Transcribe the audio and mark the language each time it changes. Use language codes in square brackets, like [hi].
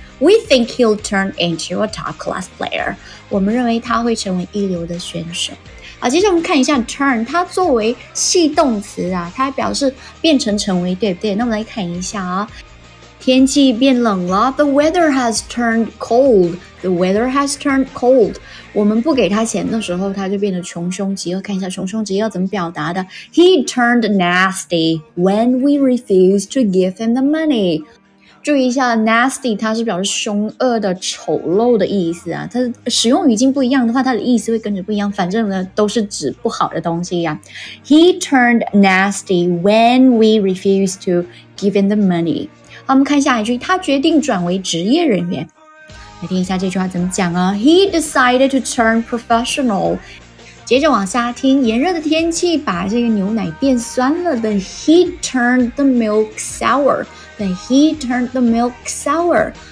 [en] We think he'll turn into a top-class player. [zh] 我们认为他会成为一流的选手。好，接下来我们看一下 turn， 它作为系动词啊，它表示变成为，对不对？那我们来看一下啊，天气变冷了 ， [en] The weather has turned cold. The weather has turned cold. [zh] 我们不给他钱的时候，他就变得穷凶极恶。看一下穷凶极恶怎么表达的 [en] ，He turned nasty when we refused to give him the money. [zh] 注意一下 ，nasty 它是表示凶恶的、丑陋的意思啊。它使用语境不一样的话，它的意思会跟着不一样。反正呢，都是指不好的东西呀。 [en] He turned nasty when we refused to give him the money。 [zh] 好，我们看下一句，他决定转为职业人员。来听一下这句话怎么讲啊 ？ [en] He decided to turn professional。 [zh] 接着往下听，炎热的天气把这个牛奶变酸了。 [en] The heat turned the milk sour。 But he turned the milk sour.